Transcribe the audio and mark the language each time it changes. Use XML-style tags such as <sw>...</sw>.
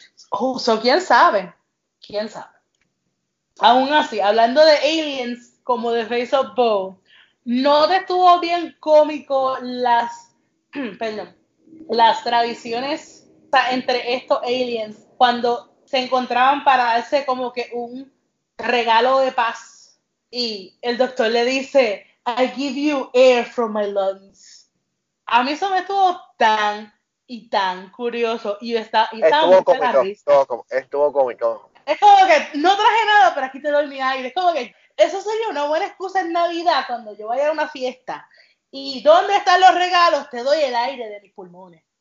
<en>Oh, so,</en> <es>¿quién sabe? ¿Quién sabe? Aún así, hablando de aliens. como The Face of Bo. No estuvo bien cómico las, perdón, las tradiciones entre estos aliens cuando se encontraban para darse como que un regalo de paz. Y el doctor le dice,</es> <en>I give you air from my lungs.</en> <es>A mí eso me estuvo tan y tan curioso. Y está, y estuvo cómico, estuvo cómico. Es como que no traje nada, pero aquí te doy mi aire. Es como que eso sería una buena excusa en Navidad cuando yo vaya a una fiesta. ¿Y dónde están los regalos? Te doy el aire de mis pulmones.</es>